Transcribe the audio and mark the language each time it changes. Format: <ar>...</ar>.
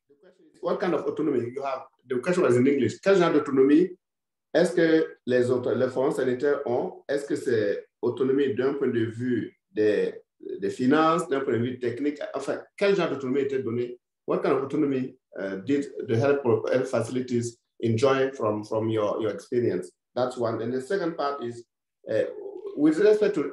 <en>The question is, what kind of autonomy you have? The question was in English.</en> <fr>Quel genre d'autonomie est-ce que les fonds sanitaires ont? Est-ce que c'est autonomie d'un point de vue des finances, d'un point de vue technique? Enfin, quel genre d'autonomie était donné?</fr> <en>What kind of autonomy did the health facilities enjoy from your experience? That's one. And the second part is with respect to</en>